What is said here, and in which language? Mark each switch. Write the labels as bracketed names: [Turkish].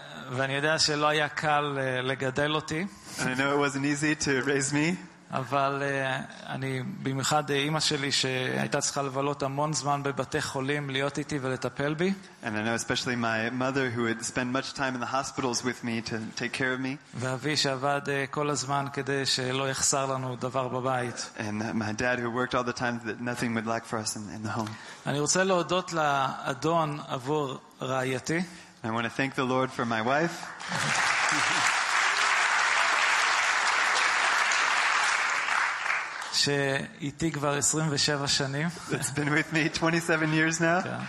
[Hebrew] ואני יודע שלא היה קל לגדל אותי. [English] I know it wasn't easy to raise me. [Hebrew] אבל אני במיוחד אמא שלי שהייתה צריכה לבלות המון זמן בבתי חולים להיות איתי ולטפל בי. [English] And I know especially my mother who had spent much time in the hospitals with me to take care of me. [Hebrew] ואבי שעבד כל הזמן כדי שלא יחסר לנו דבר בבית. [English] And my dad who worked all the time that nothing would lack for us in the home. [Hebrew] אני רוצה להודות לאדון עבור רעייתי. [English] I want to thank the Lord for my wife. [Hebrew] שאיתי כבר 27 שנים. [English] It's been with me 27 years now.